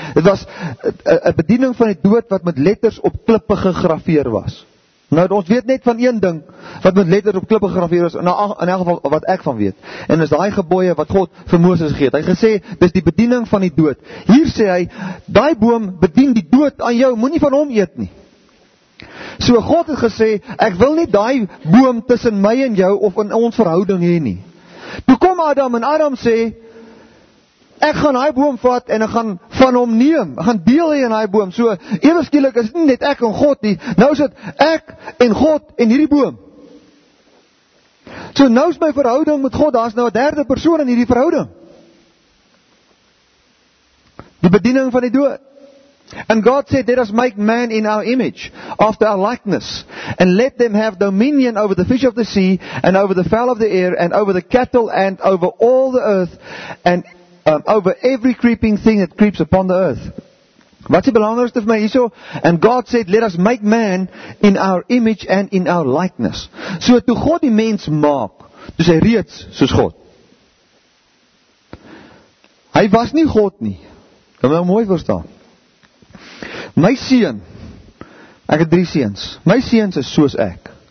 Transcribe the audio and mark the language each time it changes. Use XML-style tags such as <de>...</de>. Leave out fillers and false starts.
<af>Dit was een bediening van die dood wat met letters op klippe gegrafieer was. Nou, ons weet net van een ding, wat met letters op klippe gegraveer is, in elk geval wat ek van weet. En is die gebooie wat God vir Moses gegeet. Hy gesê, dis die bediening van die dood. Hier sê hy, die boom bedien die dood aan jou, moet nie van hom eet nie. So God het gesê, ek wil nie die boom tussen my en jou, of in ons verhouding heen nie. Toe kom Adam, en Adam sê, ek gaan die boom vat, en ek gaan van hom neem, ek gaan deel hier in die boom, so, ewerskielik is nie net ek en God nie, nou is het ek en God en hierdie boom. So, nou is my verhouding met God, daar is nou 'n derde persoon in hierdie verhouding. Die bediening van die dood.</af> <en>And God said, let us make man in our image, after our likeness, and let them have dominion over the fish of the sea, and over the fowl of the air, and over the cattle, and over all the earth, and over every creeping thing that creeps upon the earth.</en> <af>Wat is die belangrijkste vir my hierso?</af> <en>And God said, let us make man in our image and in our likeness.</en> <af>So toe God die mens maak, toe sy reeds soos God. Hy was nie God nie. Kan my mooi verstaan. My seun, ek het 3 seuns, my seuns is soos ek.</af>